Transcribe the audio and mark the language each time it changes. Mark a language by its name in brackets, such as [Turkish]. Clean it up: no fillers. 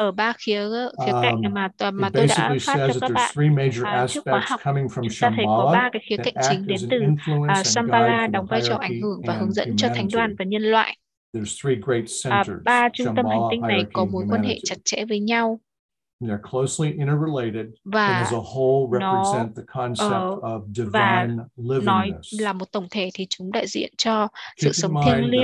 [Vietnamese] Ở ba khía cạnh mà tôi đã phát cho các bạn. Trước khóa học, chúng ta thấy có ba cái khía cạnh chính đến từ Shambhala, đóng vai trò ảnh hưởng và hướng dẫn cho thánh đoàn và nhân loại. [English] There's three great centers, [Vietnamese] ba trung tâm hành tinh này có mối quan hệ chặt chẽ với nhau. [English] They're closely interrelated [Vietnamese] và [English] and as a whole represent the concept of divine livingness. [Vietnamese] Nói là một tổng thể thì chúng đại diện cho sự sống thiêng liêng.